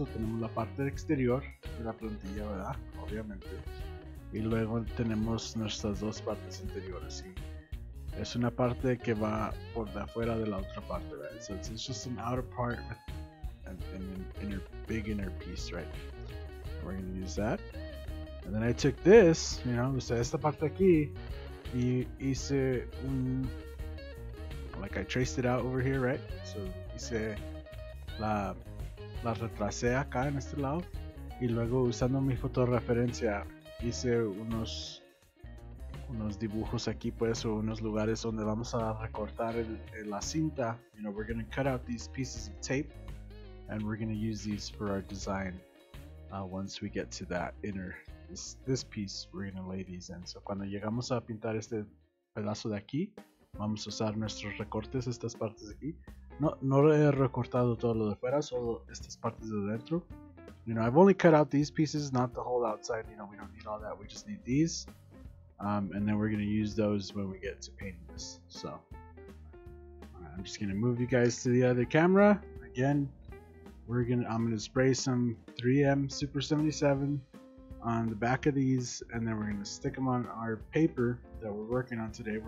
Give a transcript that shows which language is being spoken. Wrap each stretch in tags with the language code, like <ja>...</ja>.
<es>Tenemos la parte exterior de la plantilla, ¿verdad? Obviamente. Y luego tenemos nuestras dos partes interiores. Es una parte que va por de afuera de la otra parte, right?</es> <en>So it's just an outer part and an inner, big inner piece, right? We're going to use that. And then I took this, you know,</en> <es>usé esta parte aquí,</es> <en>y hice un, like I traced it out over here, right?</en> <es>So hice la retrasé acá en este lado, y luego usando mi fotorreferencia hice unos dibujos aquí, pues, o unos lugares donde vamos a recortar la cinta.</es> <en>You know, we're going to cut out these pieces of tape, and we're going to use these for our design. Once we get to that inner, this piece, we're going to lay these in.</en> <es>So cuando llegamos a pintar este pedazo de aquí, vamos a usar nuestros recortes, estas partes de aquí. No he recortado todo lo de fuera, solo estas partes de dentro.</es> <en>You know, I've only cut out these pieces, not the whole outside. You know, we don't need all that. We just need these. And then we're going to use those when we get to painting this. So right, I'm just going to move you guys to the other camera again. I'm gonna spray some 3M Super 77 on the back of these, and then we're gonna stick them on our paper that we're working on today.</en>